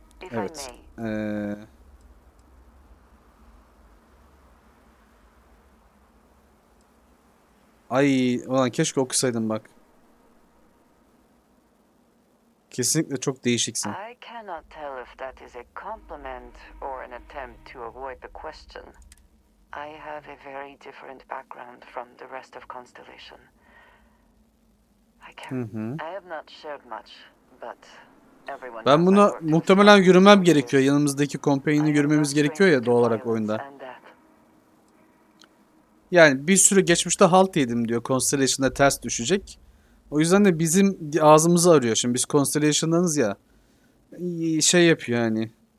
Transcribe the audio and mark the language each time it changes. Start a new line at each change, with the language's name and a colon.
Turkish: Evet. Ay, ulan keşke okusaydım bak. Kesinlikle çok değişiksin.
English: I cannot tell if that is a compliment or an attempt to avoid the question. I have a very different background from the rest of Constellation. I can't. I have not shared much, but everyone.
Turkish: Ben buna muhtemelen yürümem gerekiyor. Yanımızdaki companion'ı yürümemiz gerekiyor ya doğal olarak oyunda. Yani bir sürü geçmişte halt yedim diyor. Constellation'da ters düşecek. O yüzden de bizim ağzımızı arıyor. Şimdi biz Constellation'danız ya. Şey yapıyor yani.